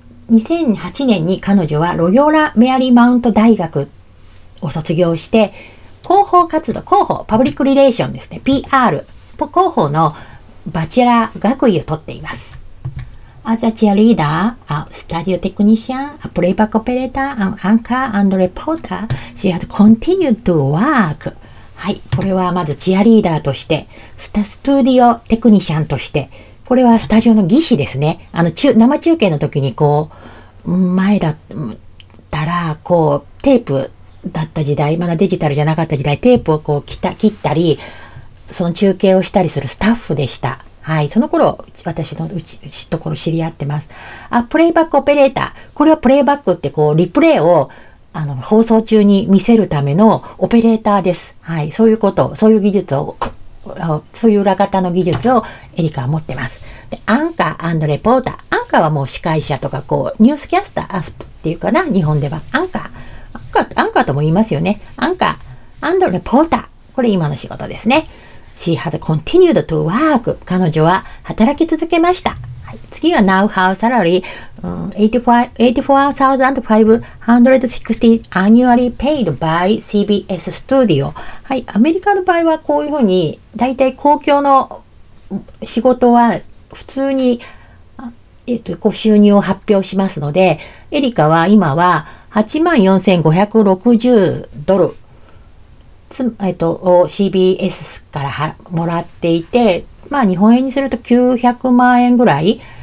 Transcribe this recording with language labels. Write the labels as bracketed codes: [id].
[ja] 2008年に彼女はロヨーラ・メアリーマウント大学を卒業して、広報活動、広報、パブリックリレーションですね、PR、広報のバチェラー学位を取っています。 [en] As a cheerleader, a studio technician, a playback operator, an anchor and reporter, she has continued to work. [ja] はい、これはまずチアリーダーとして、スタジオテクニシャンとして、これはスタジオの技師ですね。生中継の時にこう、前だったら、こう、テープだった時代、まだデジタルじゃなかった時代、テープをこう切ったり、その中継をしたりするスタッフでした。はい。その頃、私のところ知り合ってます。あ、プレイバックオペレーター。これはプレイバックって、こう、リプレイを、放送中に見せるためのオペレーターです。はい。そういうこと、そういう技術を、そういう裏方の技術をエリカは持ってます。で、アンカー&レポーター。アンカーはもう司会者とか、こう、ニュースキャスター、アスプっていうかな、日本では。アンカー。アンカーとも言いますよね。アンカー&レポーター。これ今の仕事ですね。 [en] She has continued to work. [ja] 彼女は働き続けました。はい、次が [en] Now her salary, 84,560 annually paid by CBS Studio. [ja] はい、アメリカの場合はこういうふうに、だいたい公共の仕事は普通に、こう収入を発表しますので、エリカは今は$84,560CBS からもらっていて、まあ日本円にすると900万円ぐらい。